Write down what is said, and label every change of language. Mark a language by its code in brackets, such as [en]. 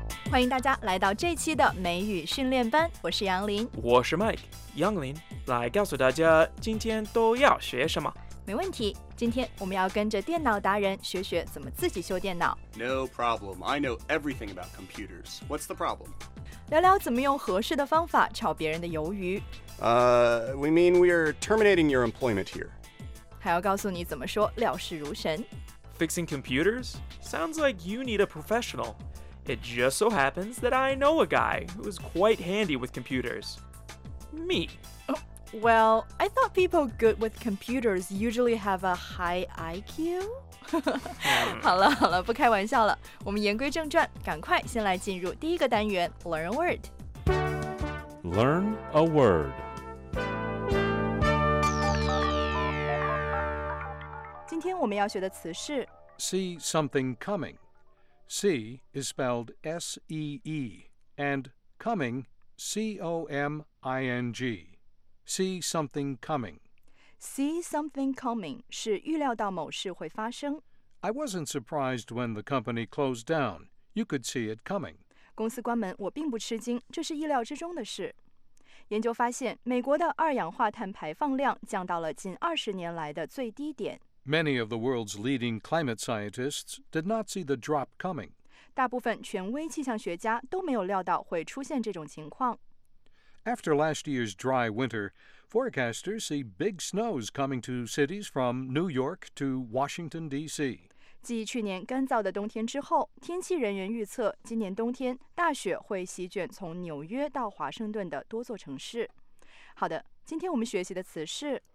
[zh] 欢迎大家来到这期的美语训练班，我是杨林，我是 Mike， 杨林来告诉大家今天都要学什么。没问题，今天我们要跟着电脑达人学学怎么自己修电脑。 [en] No problem, I know everything about computers. What's the problem? [zh] 聊聊怎么用合适的方法炒别人的鱿鱼。 [en] We mean we are terminating your employment here. [zh] 还要告诉你怎么说了事如神。 [en] Fixing computers? Sounds like you need a professional. It just so happens that I know a guy who is quite handy with computers. Me. Well, I thought people good with computers usually have a high IQ. [zh] 好了好了，不开玩笑了。我们言归正传，赶快先来进入第一个单元 ， [en] Learn a word. Learn a word. [zh] 今天我们要学的词是 [en] see something coming. See is spelled S-E-E, and coming C-O-M-I-N-G. See something coming. See something coming [zh] 是预料到某事会发生。 [en] I wasn't surprised when the company closed down. You could see it coming. [zh] 公司关门，我并不吃惊，这是意料之中的事。研究发现，美国的二氧化碳排放量降到了近二十年来的最低点。 [en] Many of the world's leading climate scientists did not see the drop coming. [zh] 大部分权威气象学家都没有料到会出现这种情况。 [en] After last year's dry winter, forecasters see big snows coming to cities from New York to Washington, D.C. [zh] 继去年干燥的冬天之后，天气人员预测今年冬天大雪会席卷从纽约到华盛顿的多座城市。好的，今天我们学习的词是